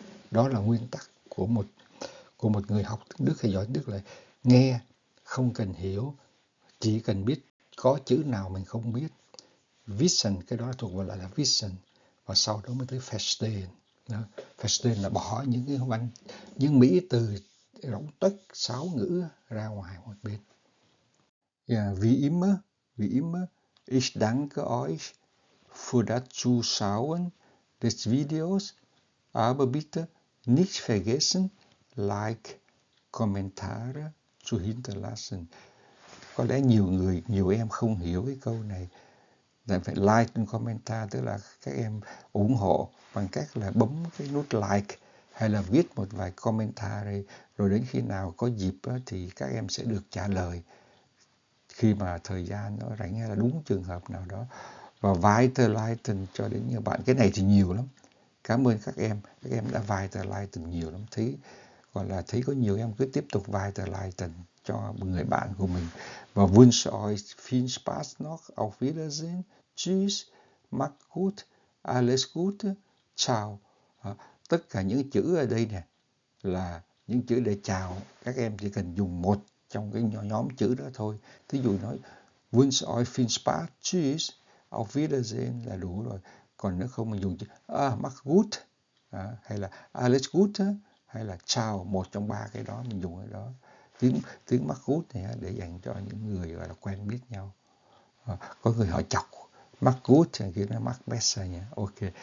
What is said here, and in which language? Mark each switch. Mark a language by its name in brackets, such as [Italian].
[Vietnamese] Đó là nguyên tắc của một người học tiếng Đức hay giỏi Đức, là nghe, không cần hiểu, chỉ cần biết có chữ nào mình không biết. Vision, cái đó thuộc vào là vision. Và sau đó mới tới Verstehen. Verstehen là bỏ những cái văn, những mỹ từ rỗng tuếch sáo ngữ ra ngoài một bên. [German] Wie immer, ich danke euch für das Zuschauen des Videos, aber bitte nicht vergessen, like, Kommentare zu hinterlassen. [Vietnamese] Có lẽ nhiều người, nhiều em không hiểu cái câu này. Là phải like and comment, tức là các em ủng hộ bằng cách là bấm cái nút like hay là viết một vài commentary, rồi đến khi nào có dịp thì các em sẽ được trả lời khi mà thời gian nó rảnh hay là đúng trường hợp nào đó. Và [German] weiter liken [Vietnamese] cho đến nhiều bạn, cái này thì nhiều lắm. Cảm ơn các em đã weiter liken nhiều lắm. Thấy gọi là thấy có nhiều em cứ tiếp tục [German] weiter liken [Vietnamese] cho người bạn của mình. [German] Và wünsche euch viel Spaß noch. Auf Wiedersehen. Tschüss. Macht gut. Alles gut. Chào. [Vietnamese] Tất cả những chữ ở đây nè là những chữ để chào. Các em chỉ cần dùng một trong cái nhóm chữ đó thôi. Thí dụ nói [German] wünsche euch viel Spaß. Tschüss. Auf Wiedersehen [Vietnamese] là đủ rồi. Còn nếu không mình dùng chữ [German] macht gut, [Vietnamese] hay là [German] alles gut, [Vietnamese] hay là chào, một trong ba cái đó mình dùng ở đó. Tiếng mắc gút này để dành cho những người gọi là quen biết nhau. Có người họ chọc mắc gút thì kia nó mắc besser nhỉ. Ok.